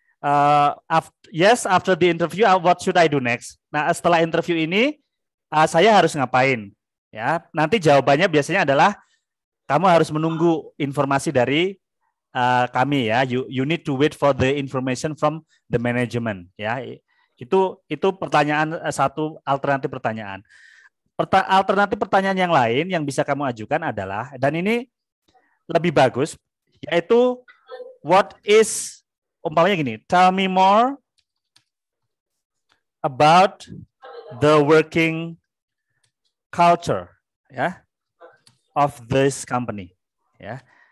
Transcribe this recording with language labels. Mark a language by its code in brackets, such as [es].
[en] After the interview, what should I do next? [id] Nah, setelah interview ini, saya harus ngapain? Ya, nanti jawabannya biasanya adalah kamu harus menunggu informasi dari kami ya. [en] You need to wait for the information from the management. [id] Ya, itu pertanyaan satu alternatif pertanyaan. Alternatif pertanyaan yang lain yang bisa kamu ajukan adalah, dan ini lebih bagus, yaitu [en] what is, [id] umpamanya gini, [en] tell me more about the working culture [id] ya [en] of this company [id] ya.